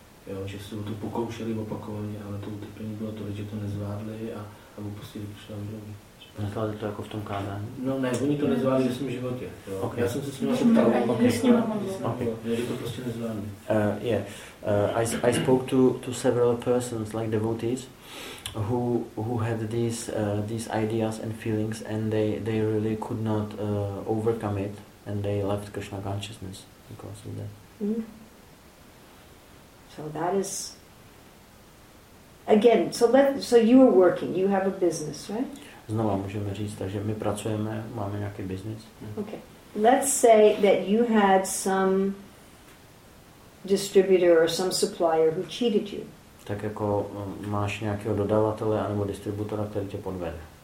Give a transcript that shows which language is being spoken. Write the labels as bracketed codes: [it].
[cs] Jo, že se to pokoušeli opakovaně, ale to utrpení bylo tolik, že to nezvládli a upustili Krishna Mrtvý. Nezvládli to jako v tom kázání? No ne, oni to nezvládli ve svém životě. Jo. [en] Okay. [cs] Já jsem se s nimi ptal opakovaně, že to prostě nezvládli. [en] I spoke to several persons, like devotees, who had these ideas and feelings, and they really could not overcome it, and they left Krishna consciousness because of that. Mm-hmm. So that is again. So you are working. You have a business, right? [cs] Znova můžeme říct, takže my pracujeme, máme nějaký business. [en] Yeah. Okay. Let's say that you had some distributor or some supplier who cheated you. [cs] Tak jako máš nějakého dodavatele anebo distributora, který tě podvede.